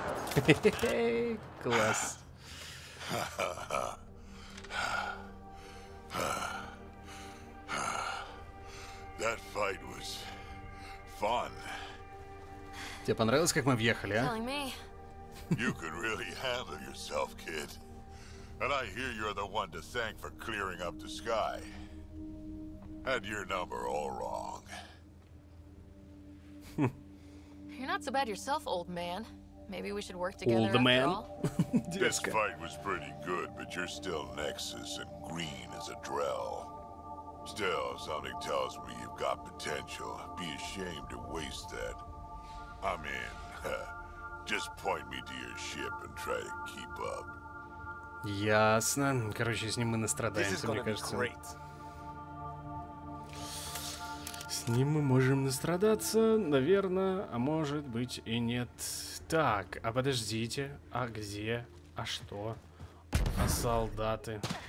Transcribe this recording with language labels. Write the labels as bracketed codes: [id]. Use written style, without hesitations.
[ru] Класс. [en] That fight was fun. Тебе понравилось, как мы въехали, а? You could really handle yourself, kid. And I hear you're the one to thank for clearing up the sky. Had your number all wrong. You're not so bad yourself, old man. Maybe we should work together after all. This fight was pretty good, but you're still Nexus and green as a drell. Still, something tells me you've got potential. Be ashamed to waste that. I'm in. Just point me to your ship and try to keep up. [ru] Ясно. Короче, с ним мы настрадаемся, мне кажется. С ним мы можем настрадаться, наверное, а может быть и нет. Так, а подождите, а где, а что, а солдаты?